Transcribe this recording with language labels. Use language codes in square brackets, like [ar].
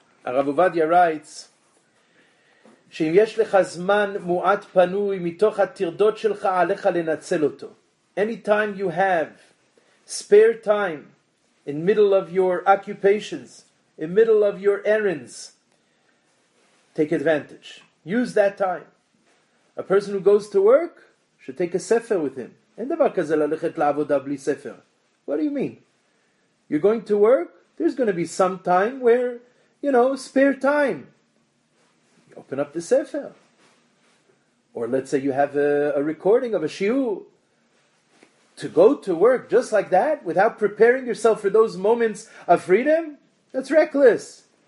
[en] Arav Ovadia writes, [he] שאם יש לך זמן מועט פנוי מתוך התרדות שלך עליך לנצל אותו. [en] Anytime you have spare time in middle of your occupations, in middle of your errands, take advantage. Use that time. A person who goes to work should take a sefer with him. [he] אין דבר כזה ללכת לעבודה בלי ספר. [en] What do you mean? You're going to work? There's going to be some time where, you know, spare time. Open up the sefer. Or let's say you have a recording of a shiur. To go to work just like that, without preparing yourself for those moments of freedom, that's reckless.